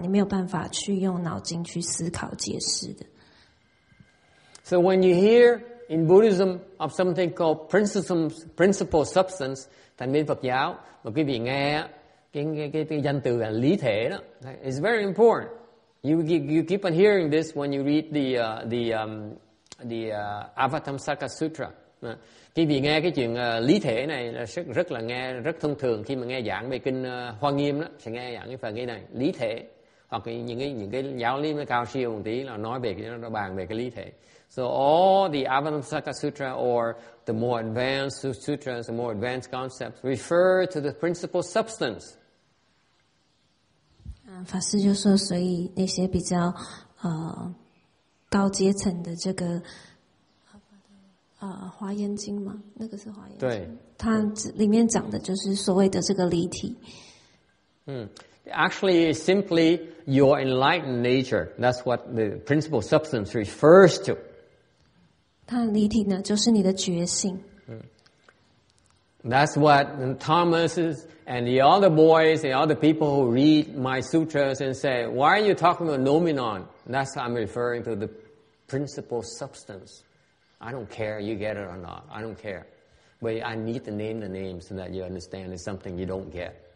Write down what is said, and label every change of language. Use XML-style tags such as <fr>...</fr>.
<zh>所以法师说，佛这就是现今佛教的问题，就是现在的人，他们像法师昨天去听那个长老的演讲，他就是用他自己的想法去解释菩萨的意思。所以并不是所谓佛的知见，佛的知见是你知道，就是你知道，或者是不然知道就是不知道，你没有办法去用脑筋去思考解释的。</zh> <en>So when you hear in Buddhism of something called principle substance,</en> <vi>thành viên Phật giáo, mà quý vị nghe cái danh từ là lý thể đó,</vi> <en>it's very important. You keep on hearing this when you read the Avatamsaka Sutra.</en> <vi>Quý vị nghe cái chuyện lý thể này là rất là nghe rất thông thường khi mà nghe giảng về kinh Hoa Nghiêm đó, sẽ nghe giảng cái phần này lý thể. hoặc những cái giáo lý mới cao siêu một tí là nói về cái nó bàn về cái lý thể.</vi> <en>So all the Avalokiteshvara Sutra or the more advanced sutras, the more advanced concepts refer to the principal substance.</en> <zh>法师就说，所以那些比较高阶层的这个华严经嘛，那个是华严经。对，它里面讲的就是所谓的这个离体。</zh> <en>Actually, it's simply your enlightened nature. That's what the principal substance refers to.</en> <zh>它的离体呢，就是你的觉性。</zh> <en>That's what Thomas and the other boys and other people who read my sutras and say, why are you talking about noumenon? That's what I'm referring to, the principal substance. I don't care you get it or not. I don't care. But I need to name the name so that you understand it's something you don't get.</en>